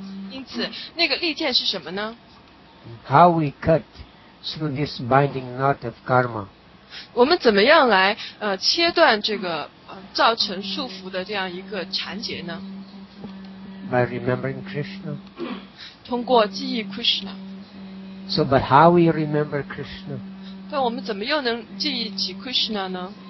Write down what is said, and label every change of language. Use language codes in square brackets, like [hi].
[zh] 因此，那个利剑是什么呢？ [en] How we cut through this binding knot of karma? [zh] 我们怎么样来切断这个造成束缚的这样一个缠结呢？ [en] By remembering Krishna. [zh] 通过记忆 Krishna. [en] So, but how we remember Krishna? [zh] 但我们怎么又能记忆起 Krishna 呢？